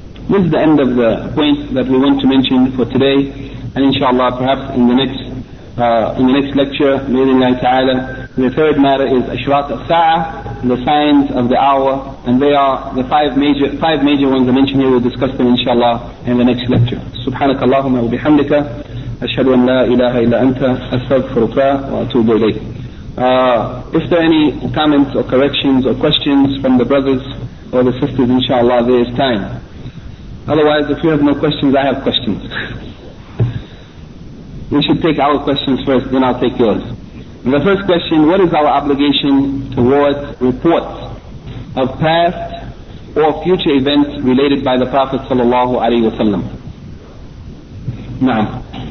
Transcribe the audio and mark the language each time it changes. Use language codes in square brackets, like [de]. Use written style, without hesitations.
[en] This is the end of the point that we want to mention for today, and inshallah perhaps in the next lecture, may Allah ta'ala, the third matter is Ashrat al-Sa'ah, the signs of the hour, and they are the five major ones I mentioned here. We'll discuss them inshallah in the next lecture. [ar] سبحانك اللهم وبحمدك أشهد أن لا إله إلا أنت أستغفرك وأتوب إليك. [en] If there are any comments or corrections or questions from the brothers or the sisters, inshallah there is time. Otherwise, if you have no questions, I have questions. We should take our questions first, then I'll take yours. The first question: what is our obligation towards reports of past or future events related by the Prophet sallallahu alaihi wasallam? Naam.